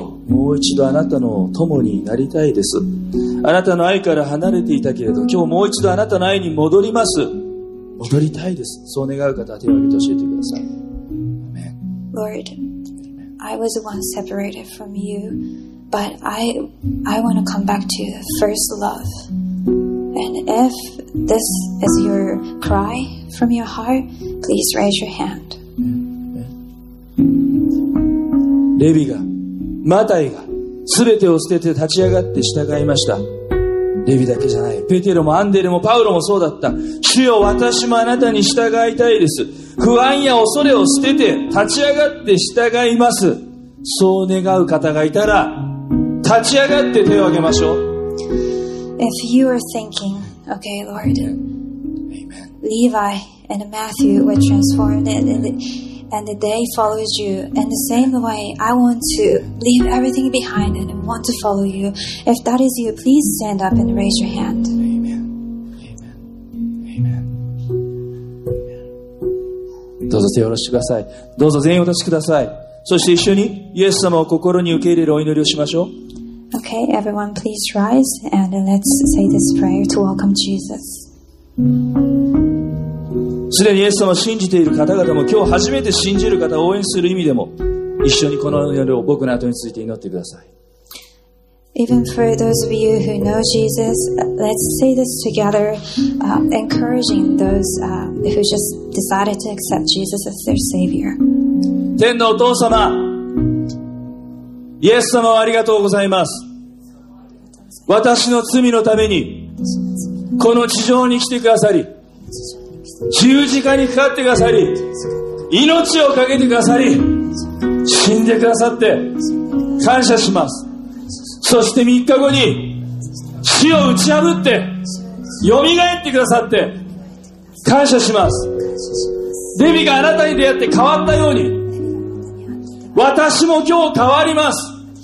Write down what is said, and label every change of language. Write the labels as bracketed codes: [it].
[ja] もう一度あなたの友になりたいですあなたの愛から離れていたけれど今日もう一度あなたの愛に戻ります戻りたいですそう願う方は手を挙げて教えてくださいアメン [en] Lord I was once separated from you but I want to come back to the first love and if this is your cry from your heart please raise your hand [ja] レビがマタイが全てを捨てて立ち上がって従いました。レビだけじゃない。ペテロもアンデレもパウロもそうだった。主よ、私もあなたに従いたいです。不安や恐れを捨てて立ち上がって従います。そう願う方がいたら、立ち上がって手を挙げましょう。 [en] If you are thinking, okay, Lord, Levi and Matthew were transformed in theAnd they followed you. In the same way, I want to leave everything behind and want to follow you. If that is you, please stand up and raise your hand. Amen. Amen. Amen. [ja] Amen. どうぞ手を下ろしてください。どうぞ全員お立ちください。そして一緒にイエス様を心に受け入れるお祈りをしましょう。 [en] Okay, everyone, please rise and let's say this prayer to welcome Jesus. [ja] すでにイエス様を信じている方々も今日初めて信じる方を応援する意味でも一緒にこの祈りを僕の後について祈ってください [en] Even for those of you who know Jesus let's say this together encouraging those who just decided to accept Jesus as their savior [ja] 天のお父様イエス様をありがとうございます私の罪のためにこの地上に来てくださり十字架にかかってくださり命をかけてくださり死んでくださって感謝しますそして三日後に死を打ち破ってよみがえってくださって感謝しますレビがあなたに出会って変わったように私も今日変わります